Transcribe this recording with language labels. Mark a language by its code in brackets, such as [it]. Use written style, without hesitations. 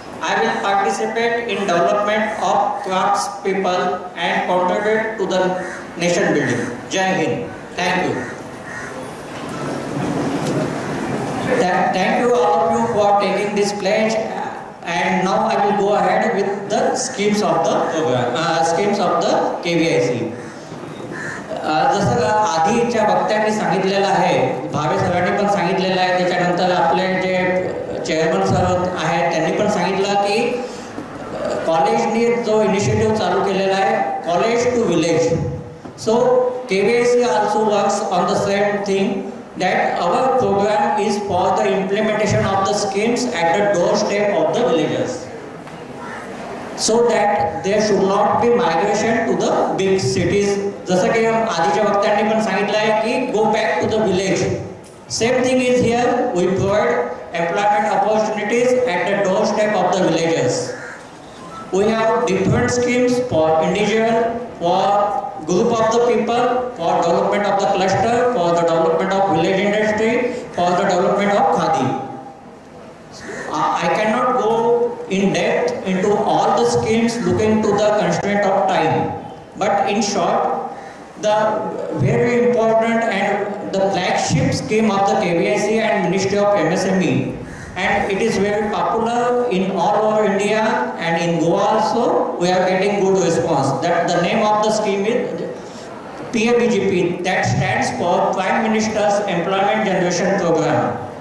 [en] I will participate in development of crafts people and contribute to the nation building. Jai Hind. Thank you. Thank you all of you for taking this pledge, and now I will go ahead with the schemes of the program, schemes of the KVIC. [mr] जसं आधीच्या वक्त्यांनी सांगितलेलं आहे, भावे सरांनी पण सांगितलेलं आहे, त्याच्यानंतर आपले जे चेअरमन सर आहेत त्यांनी पण सांगितलं की कॉलेजने जो इनिशिएटिव्ह चालू केलेला आहे college to village. [en] So KVIC also works on the same thing that our programme is for the implementation of the schemes at the doorstep of the villages. So that there should not be migration to the big cities [mr] जस कि आधी वक्त्यांनी पण सांगितलं आहे कि [en] Go back to the village same thing is here we provide employment opportunities at the doorstep of the villages we have different schemes for individual for group of the people for development of the cluster for the development of village industry for the development of khadi I cannot go in depth into all the schemes looking to the constraint of time. But in short, the very important and the flagship scheme of the KBIC and Ministry of MSME, and it is very popular in all over India and in Goa also, we are getting good response. That the name of the scheme is PMEGP, that stands for Prime Minister's Employment Generation Program.